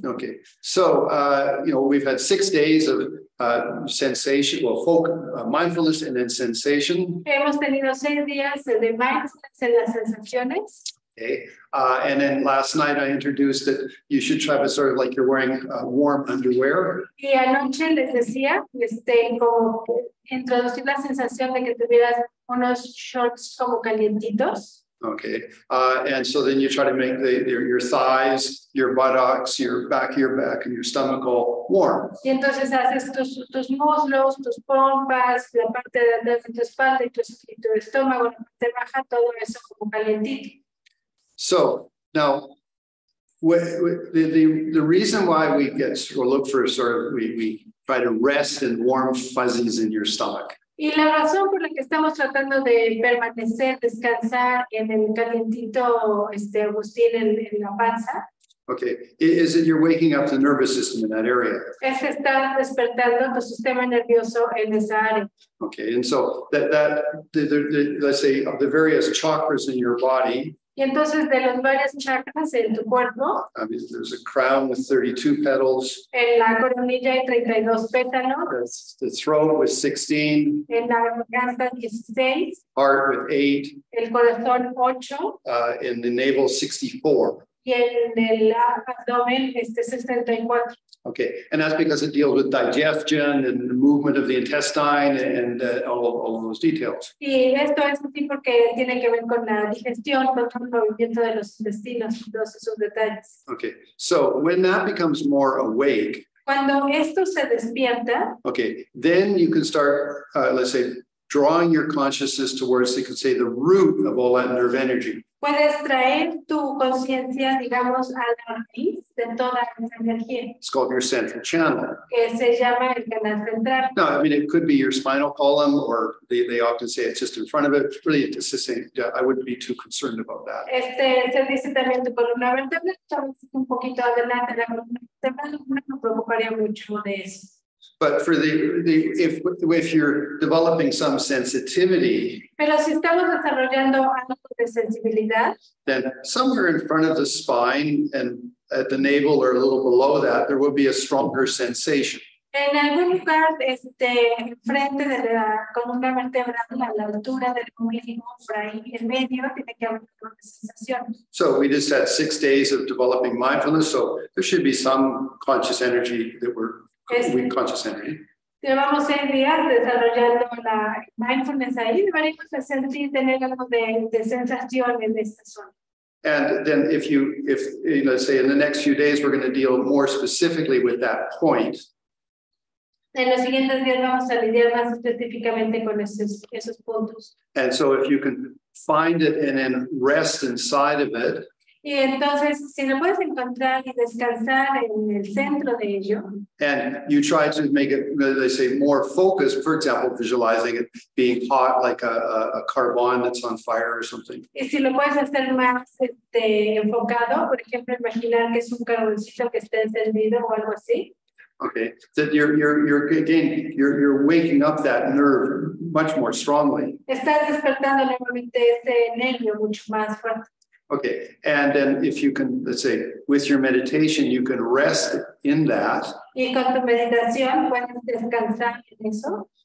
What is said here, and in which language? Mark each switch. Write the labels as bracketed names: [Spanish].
[English] Okay, so, you know, we've had 6 days of sensation, well, mindfulness and then sensation. [Spanish] Hemos tenido 6 días de mindfulness en las sensaciones. [English] Okay, and then last night I introduced that you should try to sort of like you're wearing warm underwear. [Spanish] Y anoche les decía, como introducir la sensación de que tuvieras unos shorts como calientitos. [English] Okay, and so then you try to make your thighs, your buttocks, your back of your back, and your stomach all warm. [Spanish] Y entonces haces tus muslos, tus pompas, la parte de atrás de tu espalda y tu estómago, la parte baja, todo eso como calientito. [English] So, now, the reason why we get, or look for sort of, we try to rest in warm fuzzies in your stomach. [Spanish] Y la razón por la que estamos tratando de permanecer, descansar en el calientito, agustín en la panza. [English] Okay, is it you're waking up the nervous system in that area? [Spanish] Es estar despertando tu sistema nervioso en esa área. [English] Okay, and so let's say of the various chakras in your body. [Spanish] Y entonces de los varios chakras en tu cuerpo. [English] I mean, there's a crown with 32 petals. [Spanish] En la coronilla hay 32 pétalos. [English] The throat with 16. [Spanish] En la garganta 16. [English] Heart with 8. [Spanish] El corazón 8. [English] In the navel 64. [Spanish] Y en el abdomen 64. [English] Okay, and that's because it deals with digestion and the movement of the intestine and all of those details. [Spanish] Y esto es así porque tiene que ver con la digestión, con el movimiento de los intestinos, todos esos detalles. [English] Okay, so when that becomes more awake, [Spanish] cuando esto se despierta, [English] okay, then you can start, let's say, drawing your consciousness towards, they could say, the root of all that nerve energy. [Spanish] Puedes traer tu conciencia, digamos, a la raíz de toda esa energía. [English] It's called your central channel. [Spanish] Que se llama el canal central. [English] No, I mean, it could be your spinal column, or they often say it's just in front of it. Really, it's the same. I wouldn't be too concerned about that. [Spanish] Se dice también tu columna vertebral, un poquito adelante de la columna vertebral, no me preocuparía mucho de eso. [English] But for if you're developing some sensitivity, [Spanish] pero si estamos desarrollando algo de sensibilidad, [English] then somewhere in front of the spine and at the navel or a little below that, there will be a stronger sensation. [Spanish] En algún lugar, frente de la columna vertebral, a la altura del ombligo, por ahí en medio, tiene que haber una sensación. [English] So we just had 6 days of developing mindfulness, so there should be some conscious energy that we're weak conscious energy. [Spanish] Llevamos 6 días desarrollando la mindfulness ahí, vamos a sentir tener algo de sensación en esta zona. [English] And then if you know, say in the next few days we're going to deal more specifically with that point. [Spanish] En los siguientes días vamos a lidiar más específicamente con esos puntos. [English] And so if you can find it and then rest inside of it. [Spanish] Y entonces, si lo puedes encontrar y descansar en el centro de ello. [English] And you try to make it, they say, more focused, for example, visualizing it being hot, like a carbon that's on fire or something. [Spanish] Y si lo puedes hacer más enfocado, por ejemplo, imaginar que es un carboncito que esté encendido o algo así. [English] Okay, that you're waking up that nerve much more strongly. [Spanish] Estás despertando nuevamente ese nervio mucho más fuerte. [English] Okay, and then if you can, let's say, with your meditation, you can rest in that. [Spanish] Y con tu meditación puedes descansar en eso.